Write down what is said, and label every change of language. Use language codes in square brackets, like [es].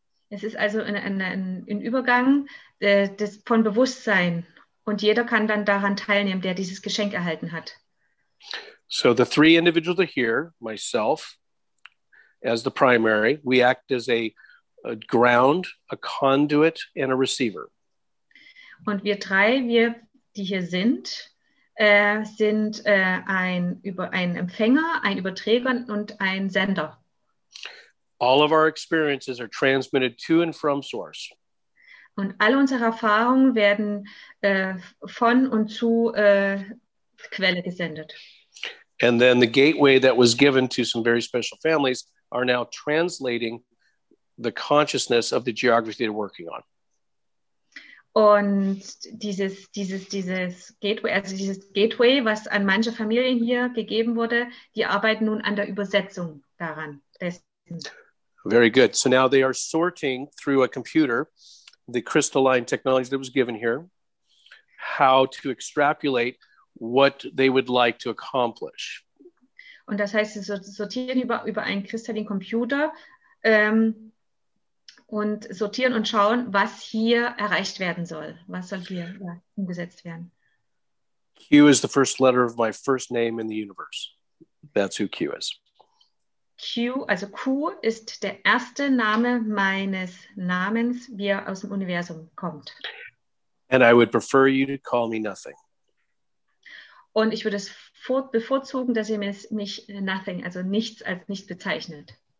[de] Es ist also ein Übergang von Bewusstsein, und jeder kann dann daran teilnehmen, der dieses Geschenk erhalten hat. [en] So the three individuals are here, myself as the primary. We act as a ground, a conduit, and a receiver. [de] Und wir drei, wir, die hier sind, sind ein Empfänger, ein Überträger und ein Sender. [en] All of our experiences are transmitted to and from source. [de] Und alle unsere Erfahrungen werden von und zu Quelle gesendet. [en] And then the gateway that was given to some very special families are now translating the consciousness of the geography they're working on. [de] Und dieses Gateway, also dieses Gateway, was an manche Familien hier gegeben wurde, die arbeiten nun an der Übersetzung daran. [en] Very good. So now they are sorting through a computer the crystalline technology that was given here, how to extrapolate what they would like to accomplish. [de] Und das heißt, sie sortieren über einen kristallinen Computer und sortieren und schauen, was hier erreicht werden soll. Was soll hier umgesetzt werden? [en] Q is the first letter of my first name in the universe. That's who Q is. [de] Q, also Q ist der erste Name meines Namens, wie er aus dem Universum kommt. And I would prefer you to call me nothing. Und ich würde es bevorzugen, dass ihr mich nothing, also nichts als nichts bezeichnet.